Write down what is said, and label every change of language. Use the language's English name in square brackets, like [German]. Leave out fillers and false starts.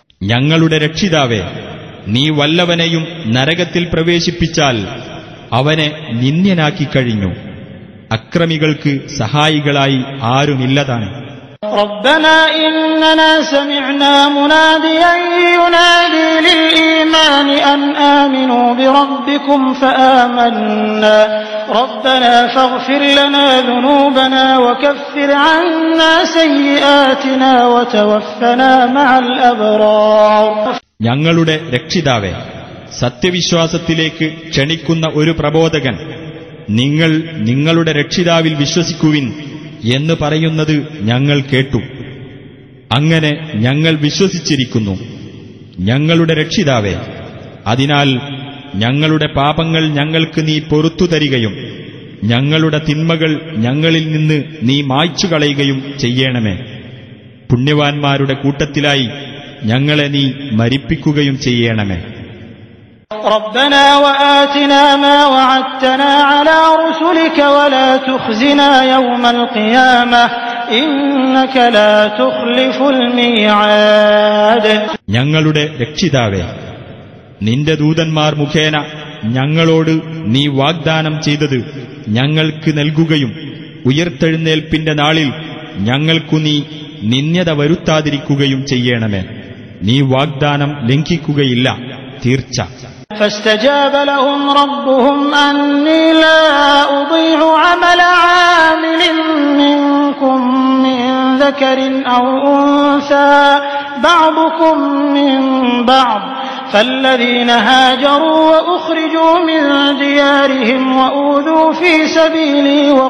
[Malayalam] ഞങ്ങളുടെ രക്ഷിതാവേ, നീ വല്ലവനെയും നരകത്തിൽ പ്രവേശിപ്പിച്ചാൽ അവനെ നിന്ദ്യനാക്കി കഴിഞ്ഞു. അക്രമികൾക്ക് സഹായികളായി ആരുമില്ലതാണ്. [Arabic] ربنا اننا سمعنا مناديا ينادي للايمان ان امنوا بربكم فامننا ربنا فاغفر لنا ذنوبنا وكفر عنا سيئاتنا وتوفنا مع الابرار [Malayalam] ഞങ്ങളുടെ രക്ഷിതാവേ, സത്യവിശ്വാസത്തിലേക്ക് ക്ഷണിക്കുന്ന ഒരു പ്രബോധകൻ, നിങ്ങൾ നിങ്ങളുടെ രക്ഷിതാവിൽ വിശ്വസിക്കുവിൻ എന്ന് പറയുന്നത് ഞങ്ങൾ കേട്ടു. അങ്ങനെ ഞങ്ങൾ വിശ്വസിച്ചിരിക്കുന്നു. ഞങ്ങളുടെ രക്ഷിതാവേ, അതിനാൽ ഞങ്ങളുടെ പാപങ്ങൾ ഞങ്ങൾക്ക് നീ പൊറുത്തു തരികയും ഞങ്ങളുടെ തിന്മകൾ ഞങ്ങളിൽ നിന്ന് നീ മായ്ച്ചു കളയുകയും ചെയ്യണമേ. പുണ്യവാന്മാരുടെ കൂട്ടത്തിലായി ഞങ്ങളെ നീ മരിപ്പിക്കുകയും ചെയ്യണമേ. [Arabic] ربنا وآتنا ما وعدتنا على رسلك ولا تخزنا يوم القيامة إنك لا تخلف الميعاد [Malayalam] ഞങ്ങളുടെ രക്ഷിതാവേ, നിന്റെ ദൂതന്മാർ മുഖേന ഞങ്ങളോട് നീ വാഗ്ദാനം ചെയ്തത് ഞങ്ങൾക്ക് നൽകുകയും ഉയർത്തെഴുന്നേൽപ്പിന്റെ നാളിൽ ഞങ്ങൾക്കു നീ നിന്ദ്യത വരുത്താതിരിക്കുകയും ചെയ്യണമേ. നീ വാഗ്ദാനം ലംഘിക്കുകയില്ല. തീർച്ച. [Arabic] فاستجاب لهم ربهم أني لا أضيع عمل عامل منكم من ذكر أو أنثى بعضكم من بعض فالذين هاجروا وأخرجوا من ديارهم وأوذوا في سبيلي